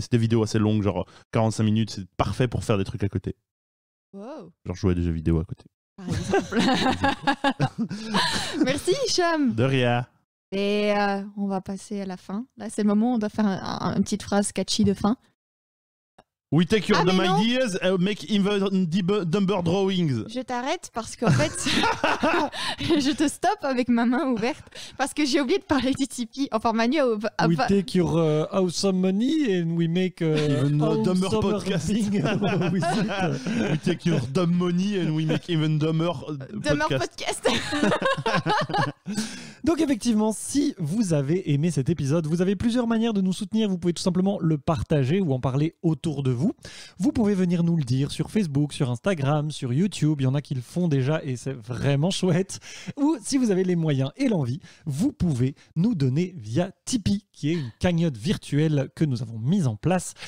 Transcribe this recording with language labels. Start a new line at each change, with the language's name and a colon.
French: C'est des vidéos assez longues, genre 45 minutes, c'est parfait pour faire des trucs à côté. Wow. Genre jouer à des jeux vidéo à côté. Merci, Hicham. De rien. Et on va passer à la fin. Là, c'est le moment où on doit faire une petite phrase catchy de fin.
English: We take your dumb ideas and make even dumber drawings.
French: Je t'arrête parce qu'en fait, je te stoppe avec ma main ouverte parce que j'ai oublié de parler du Tipeee. Enfin, Manu...
English: We take your awesome money and we make even dumber podcasts. We take your dumb money and we make even dumber podcasts.
French: Donc effectivement, si vous avez aimé cet épisode, vous avez plusieurs manières de nous soutenir. Vous pouvez tout simplement le partager ou en parler autour de vous. Vous pouvez venir nous le dire sur Facebook, sur Instagram, sur YouTube. Il y en a qui le font déjà et c'est vraiment chouette. Ou si vous avez les moyens et l'envie, vous pouvez nous donner via Tipeee, qui est une cagnotte virtuelle que nous avons mise en place.